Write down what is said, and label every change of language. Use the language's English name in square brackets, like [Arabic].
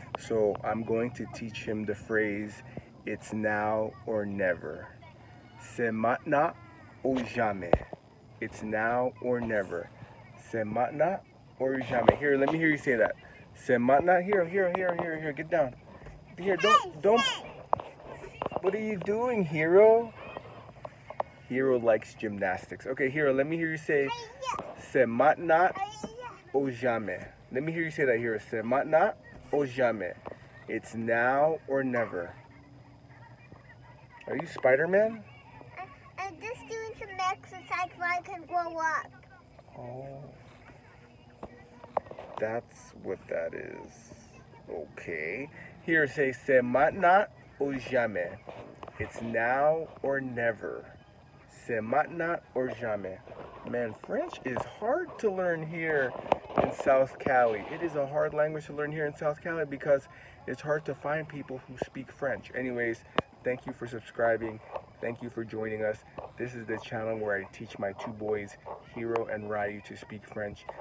[English] So I'm going to teach him the phrase, it's now or never. [French] C'est maintenant ou jamais. [English] It's now or never. [French] C'est maintenant or jamais. [English] Here, let me hear you say that. [French] C'est maintenant. [English] Here, get down. Here, don't. What are you doing, Hiro? Hiro likes gymnastics. Okay, Hiro, let me hear you say, [French] c'est maintenant ou jamais. [English] Let me hear you say that, Hiro. [French] C'est maintenant ou jamais. [English] It's now or never. Are you Spider-Man? I'm just doing some exercise so I can grow up. Oh. That's what that is. Okay. Here, say, [French] c'est maintenant ou jamais. [English] It's now or never. [French] C'est maintenant ou jamais. [English] Man, French is hard to learn here in South Cali. It is a hard language to learn here in South Cali because it's hard to find people who speak French. Anyways, thank you for subscribing. Thank you for joining us. This is the channel where I teach my two boys, Hiro and Ryu, to speak French.